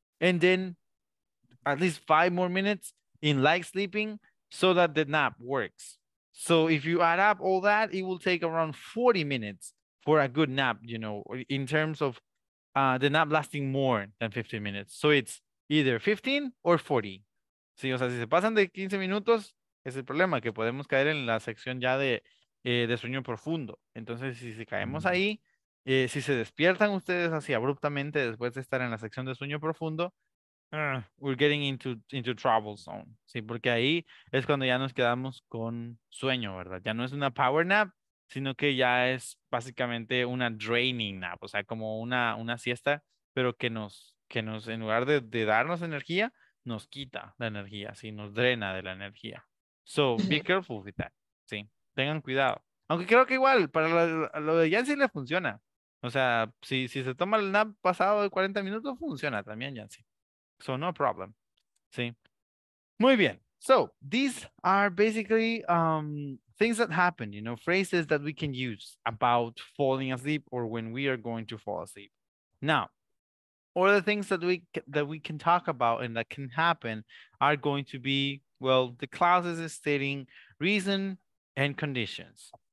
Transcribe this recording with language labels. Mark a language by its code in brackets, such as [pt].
[en] And then at least 5 more minutes in light sleeping, so that the nap works. So if you add up all that, it will take around 40 minutes for a good nap, you know, in terms of the nap lasting more than 15 minutes. So it's either 15 or 40. [es] Sí, o sea, si se pasan de 15 minutos, es el problema, que podemos caer en la sección ya de sueño profundo. Entonces, si se caemos ahí, si se despiertan ustedes así abruptamente después de estar en la sección de sueño profundo, [en] we're getting into trouble zone. [es] Sí, porque ahí es cuando ya nos quedamos con sueño, ¿verdad? Ya no es una power nap, sino que ya es básicamente una draining nap, o sea, como una siesta, pero que nos en lugar de darnos energía, nos quita la energía, sí, nos drena de la energía. [en] So, be careful with that. [es] Sí, tengan cuidado. Aunque creo que igual para lo de Yancy le funciona. O sea, si se toma el nap pasado de 40 minutos funciona también, Yancy. [en] So no problem. [es] Sí. Muy bien. [en] So these are basically things that happen, you know, phrases that we can use about falling asleep or when we are going to fall asleep. Now, or the things that we can talk about and that can happen are going to be, well, the clauses is stating reason and conditions.